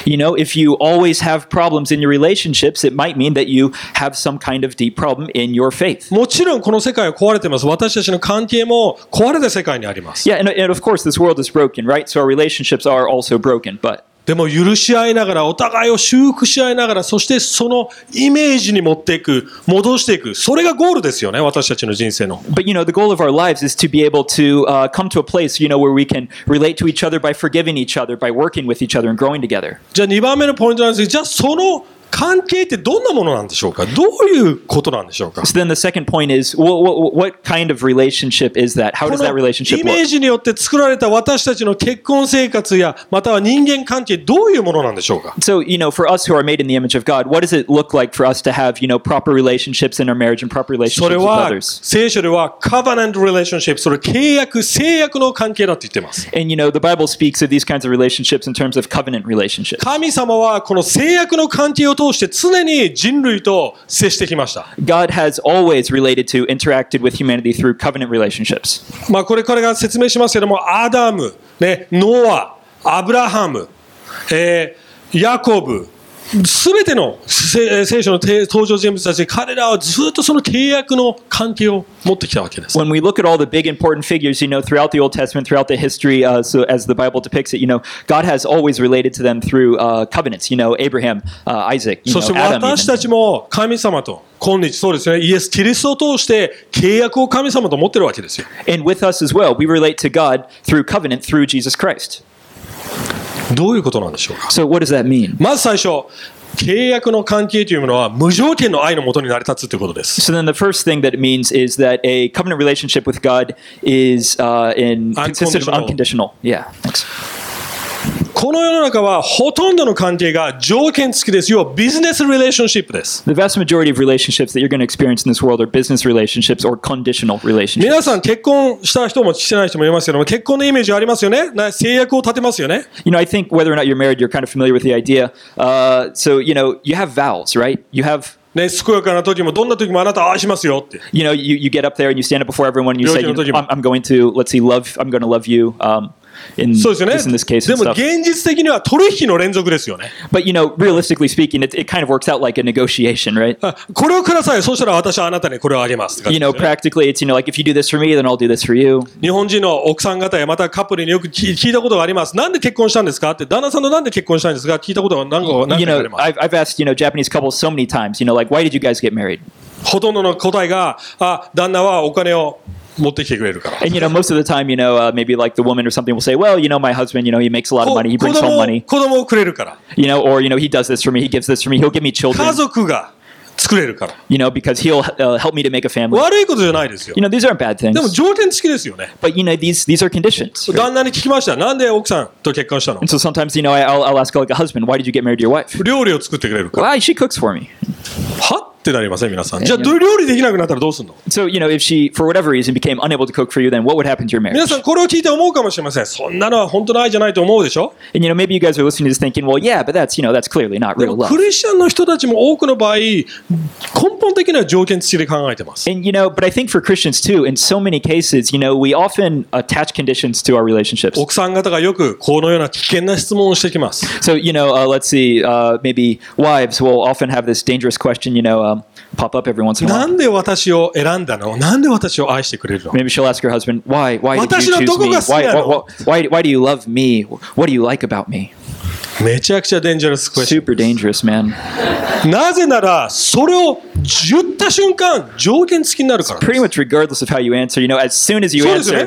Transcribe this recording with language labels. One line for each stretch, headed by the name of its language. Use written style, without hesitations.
English: You know, if you always have problems in your relationships, it might mean that you have some kind of deep problem in your faith.
Japanese: もちろんこの世界は壊れています。私たちの関係も壊れた世界にあります。
English: Yeah, and of course, this world is broken, right? So our relationships are also broken, but
Japanese: でも許し合いながら、お互いを修復し合いながら、そしてそのイメージに持っていく、戻していく、それがゴールですよね、私たちの人生の。
English: But you know, the goal of our lives is to be able to come to a place, you know, where we can relate to each other by forgiving each other, by working with each other and growing together.
Japanese: じゃあ2番目のポイントなんですけど、じゃあその関係ってどんなものなんでしょうか、どういうことなんでしょうか。
English: So then the second point is, what kind of relationship is that? How does that relationship work?
Japanese: このイメージによって作られた私たちの結婚生活やまたは人間関係どういうものなんでしょうか。
English: So, you know, for us who are made in the image of God, what does it look like for us to have, you know, proper relationships in our marriage and proper relationships with others?
Japanese: それは聖書では covenant relationship、それ契約の関係だと言ってます。
English: And you know, the Bible speaks of these kinds of relationships in terms of covenant relationships.
Japanese: 神様はこの契約の関係を通して常に人類と接してきました。
English: God has always related to, interacted with humanity through covenant relationships.
Japanese: まあこれから説明しますけども、アダム、ね、ノア、アブラハム、ヤコブ、すべての聖書の登場人物たち、彼らはずっとその契約の関係を持ってきたわけです。
English: When we look at all the big important figures, you know, throughout the Old Testament, throughout the history, so as the Bible depicts it, you know, God has always related to them through covenants. You know, Abraham, Isaac, you know, Adam.
Japanese: そして私たちも神様と今日そうですね、イエス・キリストを通して契約を神様と持ってるわけですよ。
English: And with us as well, we relate to God through covenant through Jesus Christ.
Japanese: どういうことなんでしょうか。
English: So what does that mean?
Japanese: まず最初、契約の関係というものは無条件の愛のもとに成り立つということです。
English: So then the first thing that it means is that a covenant relationship with God is consisted of unconditional. Yeah, thanks.
Japanese: この世の中はほとんどの関係が条件付きです。要はビジネスリレーションシップです。
English: The vast majority of relationships that you're going to experience in this world are business relationships or conditional relationships.
Japanese: 皆さん結婚した人もしてない人もいますけども、結婚のイメージありますよね。制約を立てますよね。
English: You know, I think whether or not you're married, you're kind of familiar with the idea. So, you know, you have vows, right? You have...
Japanese: ね、健やかな時もどんな時もあなたは愛しますよって。
English: You know, you get up there and you stand up before everyone and you say, I'm going to, let's see, love, I'm going to love you, in,
Japanese: そうですよね、
English: this, in this case and stuff.
Japanese: でも現実的には取引の連続ですよね。
English: But you know, realistically speaking, it kind of works out like a negotiation, right?
Japanese: これをください。そしたら私はあなたにこれをあげます。
English: You know, practically, it's, you know, like, if you do this for me, then I'll do this for you.
Japanese: 日本人の奥さん方やまたカップルによく聞いたことがあります。なんで結婚したんですかって、旦那さんのなんで結婚したんですか聞いたことが何個あります。
English: You know, I've asked, you know, Japanese couples so many times, you know, like, why did you guys get married?
Japanese: ほとんどの答えが、あ、旦那はお金を持ってきてくれるから。
English: And you know, most of the time, you know, maybe like the woman or something will say, well, you know, my husband, you know, he makes a lot of money, he brings home money.
Japanese: 子供をくれるから。
English: You know, or, you know, he does this for me, he gives this for me, he'll give me children.
Japanese: 家族が作れるから。
English: You know, because he'll help me to make a family.
Japanese: 悪いことじゃないですよ。
English: You know, these aren't bad things.
Japanese: でも条件付きですよね。
English: But you know, these are conditions.
Japanese: 旦那に聞きました。なんで奥さんと結婚したの？
English: And so sometimes, you know, I'll ask like a husband, why did you get married to your wife?
Japanese: 料理を作ってくれるから。
English: Why? She cooks for me.
Japanese: はってなりません、皆さん。じゃあ、料理できなくなったらどうするの？
English: So, you know, if she, for whatever reason, became unable to cook for you, then what would happen to your marriage?
Japanese: 皆さん、これを聞いて思うかもしれません。そんなのは本当の愛じゃないと思うでしょ？
English: And, you know, maybe you guys are listening to this thinking, well, yeah, but that's, you know, that's clearly not real love.
Japanese: クリスチャンの人たちも多くの場合、根本的な条件付きで考えてます。
English: And, you know, but I think for Christians too, in so many cases, you know, we often attach conditions to our relationships.
Japanese: 奥さん方がよくこのような危険な質問をしてきます。
English: So, you know, let's see, maybe wives will often have this dangerous question, you know,pop up every once in a while.
Japanese: なんで私を選んだの？なんで私を愛してくれるの？
English: Maybe she'll ask her husband, why did you choose me?
Japanese: 私のどこが好きなの？
English: why do you love me? What do you like about me?
Japanese: めちゃくちゃデンジャラスクエスチ
English: ョン。Super dangerous, man.
Japanese: なぜならそれを言った瞬間条件付きになるから。
English: It's pretty much regardless of how you answer, you know, as soon as you answer,、